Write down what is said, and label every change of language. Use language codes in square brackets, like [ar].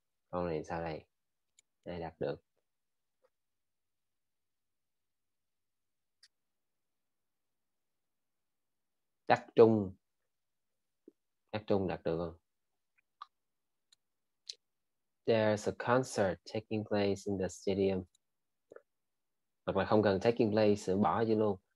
[vi] Con này sao đây? Đây đặt được. Đặc trung. Đặc trung đặt được không? [en] There's a concert taking place in the stadium. [vi] Hoặc là không cần taking place, sửa bỏ chứ luôn.